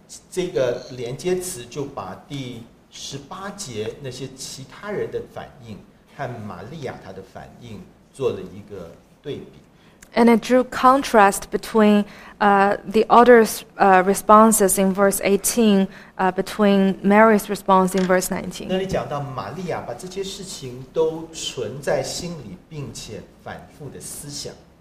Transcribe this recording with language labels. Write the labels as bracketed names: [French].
[Chinese] 这个连接词就把第十八节那些其他人的反应。看玛利亚她的反应做了一个对比。 [English] And it drew contrast between the others' responses in verse 18, between Mary's response in verse 19. [Chinese] 那里讲到玛利亚把这些事情都存在心里，并且反复的思想。